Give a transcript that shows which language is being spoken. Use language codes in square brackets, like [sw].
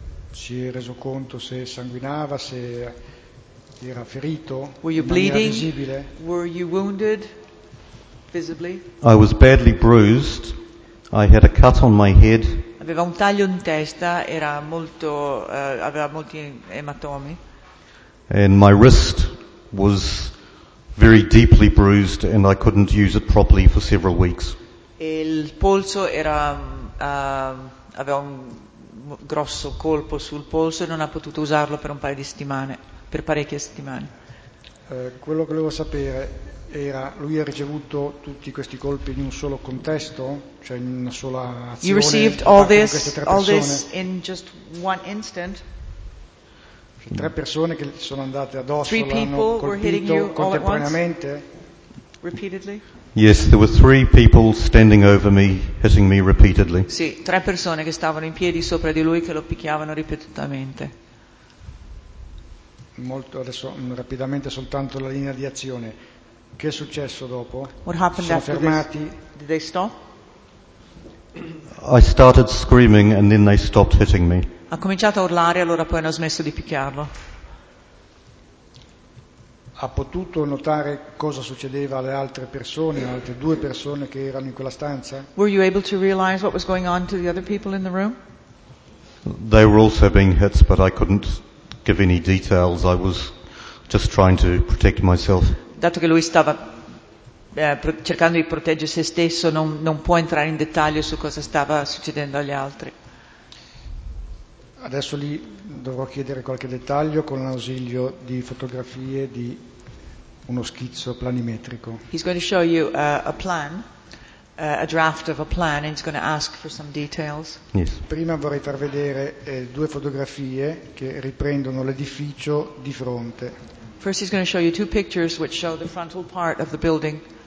[it] Si è reso conto se sanguinava, se era ferito? [en] Were you bleeding? [it] Visibile. [en] Were you wounded visibly? I was badly bruised. I had a cut on my head. [it] Aveva un taglio in testa, era molto aveva molti ematomi. [en] And my wrist was very deeply bruised and I couldn't use it properly for several weeks. [it] Il polso era aveva un grosso colpo sul polso e non ha potuto usarlo per un paio di settimane, per parecchie settimane. Quello che volevo sapere era lui ha ricevuto tutti questi colpi in un solo contesto, cioè in una sola azione. [en] You received all this in just one instant. [it] Cioè, 3 persone che sono andate addosso l'hanno colpito contemporaneamente. [en] Repeatedly? Yes, there were 3 people standing over me, hitting me repeatedly. [it] Sì, 3 persone che stavano in piedi sopra di lui che lo picchiavano ripetutamente. Molto adesso rapidamente soltanto la linea di azione. Che è successo dopo? [en] What happened [it] sono [en] after [it] fermati? [en] This? Did they stop? I started screaming and then they stopped hitting me. [it] Ha cominciato a urlare e allora poi hanno smesso di picchiarlo. Ha potuto notare cosa succedeva alle altre persone, alle altre 2 persone che erano in quella stanza? [en] Were you able to realize what was going on to the other people in the room? They were also being hit, but I couldn't give any details. I was just trying to protect myself. [it] Dato che lui stava cercando di proteggere se stesso, non può entrare in dettaglio su cosa stava succedendo agli altri. Adesso lì dovrò chiedere qualche dettaglio con l'ausilio di fotografie di uno schizzo planimetrico. [en] He's going to show you a plan, a draft of a plan, and he's going to ask for some details. Yes. [it] Prima vorrei far vedere 2 fotografie che riprendono l'edificio di fronte. [en] First he's going to show you 2 pictures which show the frontal part of the building.